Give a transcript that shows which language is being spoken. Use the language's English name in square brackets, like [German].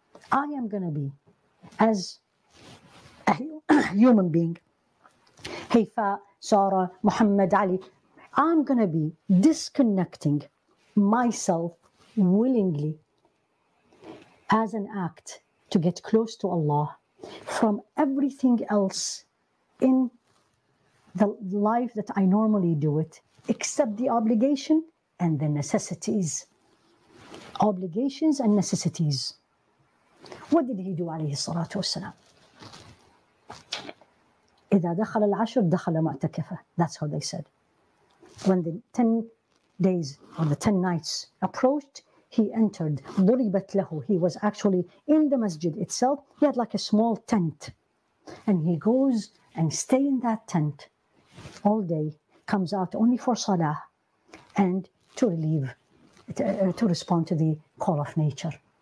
[English] I am going to be, as a human being, Haifa, Sara, Muhammad Ali, I'm going to be disconnecting myself willingly as an act to get close to Allah from everything else in the life that I normally do it, except the obligation and the necessities. Obligations and necessities. What did he do, alayhi salatu wasalam? [Arabic] إذا دخل العشر دخل معتكفة. [English] That's how they said. When the 10 days or the 10 nights approached, he entered. [Arabic] ضربت له. [English] He was actually in the masjid itself. He had like a small tent. And he goes and stay in that tent all day, comes out only for salah and to relieve, to respond to the call of nature.